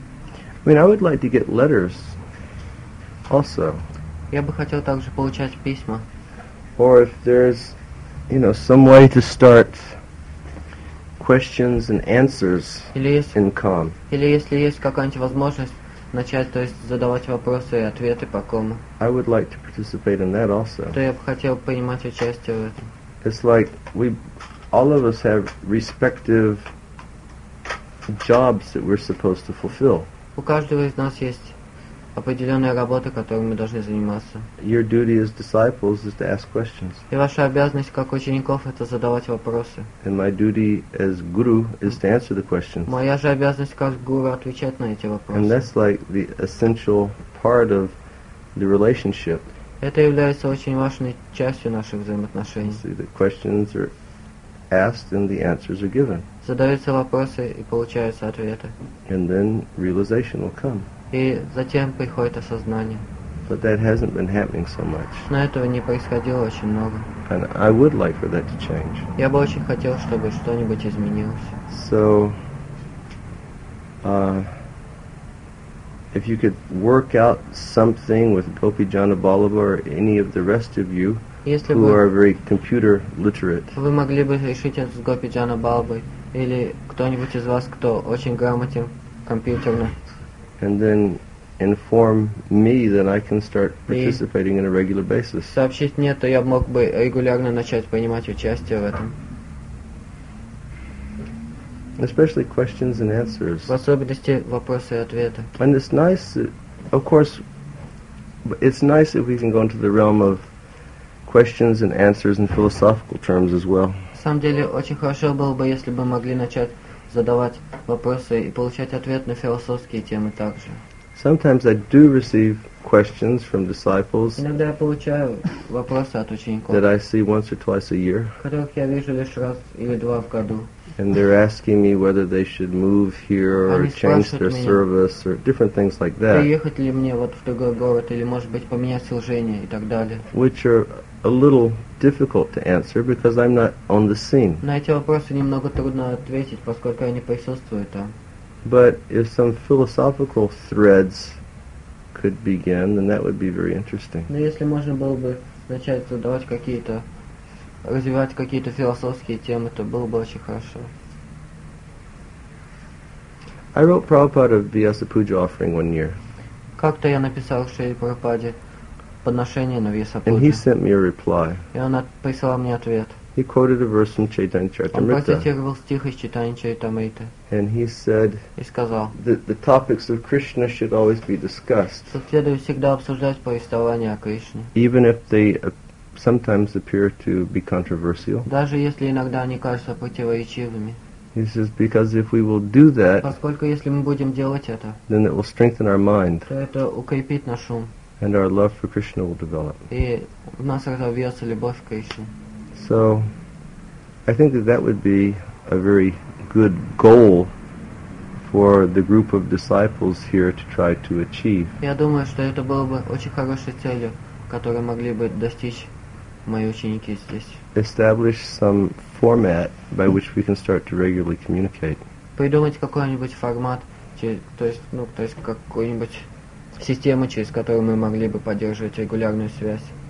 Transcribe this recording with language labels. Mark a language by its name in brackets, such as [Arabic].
[English] I mean, I would like to get letters also. [Russian] Я бы хотел также получать письма. [English] Or if there's, you know, some way to start questions and answers in calm. [Russian] Или если есть какая-нибудь возможность начать, то есть задавать вопросы и ответы по кому. [English] I would like to participate in that also. [Russian] То я бы хотел принимать участие в этом. [English] It's like we all of us have respective jobs that we're supposed to fulfill. [Russian] У каждого из нас есть определенная работа, которой мы должны заниматься. [English] Your duty as disciples is to ask questions. [Russian] И ваша обязанность как учеников это задавать вопросы. [English] And my duty as guru is to answer the questions. [Russian] Моя же обязанность как гуру отвечать на эти вопросы. [English] And that's like the essential part of the relationship. [Russian] Это является очень важной частью наших взаимоотношений. [English] See, the questions are asked and the answers are given. [Russian] Задаются вопросы и получаются ответы. [English] And then realization will come. [Russian] И затем приходит осознание. [English] But that hasn't been happening so much. [Russian] Но этого не происходило очень много. [English] And I would like for that to change. [Russian] Я бы очень хотел, чтобы что-нибудь изменилось. [English] So, if you could work out something with Gopi Janabalava or any of the rest of you who are very computer literate. [Russian] Вы могли бы решить это с Гопи Джанабалавой или кто-нибудь из вас, кто очень грамотен компьютерно. [English] And then inform me that I can start participating on a regular basis. [Russian] Сообщить мне, то я мог бы регулярно начать принимать участие в этом. [English] Especially questions and answers. [Russian] В особенности вопросы и ответы. [English] And it's nice, that, of course, it's nice if we can go into the realm of questions and answers in philosophical terms as well. [Russian] На самом деле очень хорошо было бы, если бы могли начать задавать вопросы и получать ответ на философские темы также. [English] Sometimes I do receive questions from disciples. [Russian] Иногда я получаю вопросы от учеников. [English] That I see once or twice a year. [Russian] Которых я вижу лишь раз или два в году. [English] And they're asking me whether they should move here or change their service or different things like that. [Russian] Приехать ли мне вот в другой город или может быть поменять служение и так далее. [English] Which are a little difficult to answer because I'm not on the scene. [Russian] На эти вопросы немного трудно ответить, поскольку я не присутствую там. [English] But if some philosophical threads could begin, then that would be very interesting. [Russian] Но если можно было бы начать задавать какие-то, развивать какие-то философские темы, то было бы очень хорошо. [English] I wrote Prabhupada a Vyasa Puja offering one year. [Russian] Как-то я написал Шри Прабхупаде подношение на Вьяса [English] Пуджа. And he sent me a reply. [Russian] И он прислал мне ответ. [English] He quoted a verse from Chaitanya Charitamrita. [Russian] Он процитировал стих из Чайтанья Чаритамриты. [English] And he said, [Russian] и сказал, [English] the topics of Krishna should always be discussed. [Russian] Что следует всегда обсуждать повествования о Кришне. [English] Even if they sometimes appear to be controversial. [Russian] Даже если иногда они кажутся противоречивыми. [English] He says, because if we will do that, [Russian] поскольку если мы будем делать это, [English] then it will strengthen our mind. [Russian] То это укрепит наш ум. [English] And our love for Krishna will develop. [Russian] И у нас развивается любовь к Кришне. [English] So, I think that would be a very good goal for the group of disciples here to try to achieve. [Russian] Я думаю, что это было бы очень хорошей целью, которую могли бы достичь мои ученики здесь. [English] Establish some format by which we can start to regularly communicate. [Russian] Придумать какой-нибудь формат, то есть какую-нибудь систему, через которую мы могли бы поддерживать регулярную связь.